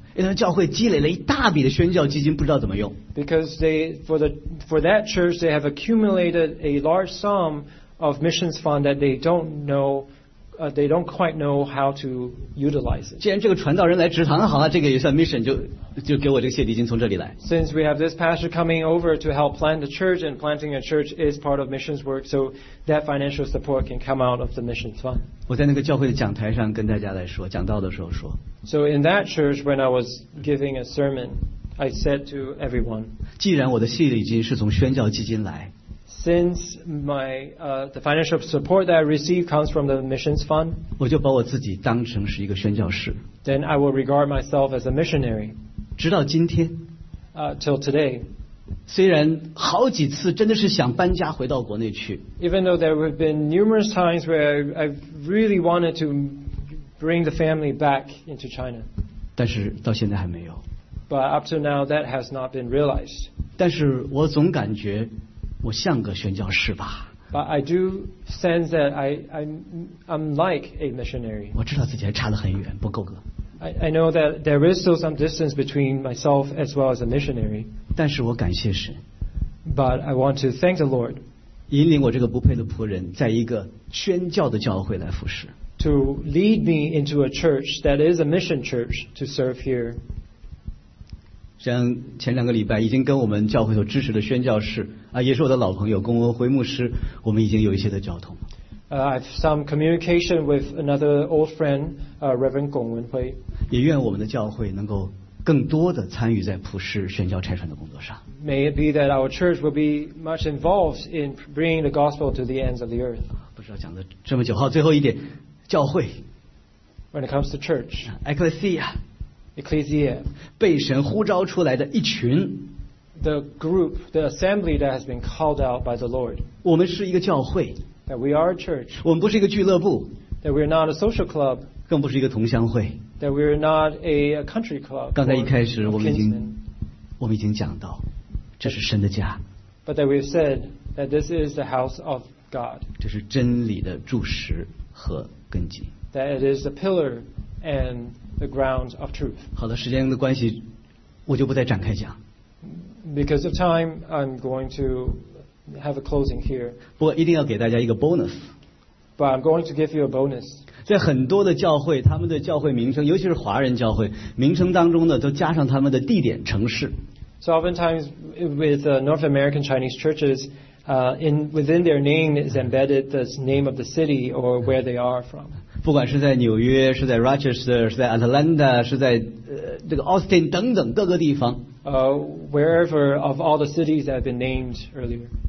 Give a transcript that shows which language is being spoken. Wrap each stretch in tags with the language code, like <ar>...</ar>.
<zh>因为教会积累了一大笔的宣教基金，不知道怎么用。</zh> <en>Because for that church, they have accumulated a large sum of missions fund that they don't quite know how to utilize it.</en> <zh>既然这个传道人来职堂，好啊，这个也算 mission， 就给我这个谢礼金从这里来。</zh> <en>Since we have this pastor coming over to help plant the church, and planting a church is part of missions work, so that financial support can come out of the missions fund.</en> <zh>我在那个教会的讲台上跟大家来说，讲道的时候说。</zh> <en>So in that church, when I was giving a sermon, I said to everyone,</en> <zh>既然我的谢礼金是从宣教基金来。</zh> <en>Since the financial support that I receive comes from the missions fund,</en> <zh>我就把我自己当成是一个宣教士。</zh> <en>Then I will regard myself as a missionary.</en> <zh>直到今天，</zh> <en>till today.</en> <zh>虽然好几次真的是想搬家回到国内去。</zh> <en>Even though there have been numerous times where I really wanted to bring the family back into China.</en> <zh>但是到现在还没有。</zh> <en>But up to now, that has not been realized.</en> <zh>但是我总感觉。我像个宣教士吧。</zh> <en>But I do sense that I'm like a missionary.</en> <zh>我知道自己还差得很远，不够格。</zh> <en>I know that there is still some distance between myself as well as a missionary.</en> <zh>但是我感谢神。</zh> <en>But I want to thank the Lord.</en> <zh>引领我这个不配的仆人，在一个宣教的教会来服侍。</zh> <en>To lead me into a church that is a mission church to serve here.</en> <zh>像前两个礼拜已经跟我们教会所支持的宣教士啊，也是我的老朋友龚文辉牧师，我们已经有一些的交通。</zh> <en>I have some communication with another old friend, Reverend 龚文辉。</en> <zh>也愿我们的教会能够更多的参与在普世宣教差传的工作上。</zh> <en>May it be that our church will be much involved in bringing the gospel to the ends of the earth.</en> <zh>不知道讲了这么久，好，最后一点，教会。</zh> <en>When it comes to church, Ecclesia. Ecclesia,</en> <zh>被神呼召出来的一群</zh> <en>the group, the assembly that has been called out by the Lord.</en> <zh>我们是一个教会</zh> <en>that we are a church.</en> <zh>我们不是一个俱乐部</zh> <en>that we are not a social club.</en> <zh>更不是一个同乡会</zh> <en>that we are not a country club.</en> <zh>刚才一开始我们已经讲到，这是神的家</zh> <en>but that we have said that this is the house of God.</en> <zh>这是真理的柱石和根基</zh> <en>that it is the pillar and the ground of truth.</en> <zh>好的，时间的关系，我就不再展开讲。</zh> <en>Because of time, I'm going to have a closing here.</en> <zh>不过一定要给大家一个 bonus.</zh> <en>But I'm going to give you a bonus.</en> <zh>在很多的教会，他们的教会名称，尤其是华人教会名称当中呢，都加上他们的地点城市。</zh> <en>So oftentimes with North American Chinese churches, within their name is embedded the name of the city or where they are from.</en> <zh>不管是在纽约，是在 Rochester， 是在 Atlanta， 是在这个 Austin 等等各个地方。</zh> <en>Wherever of all the cities that have been named earlier.</en>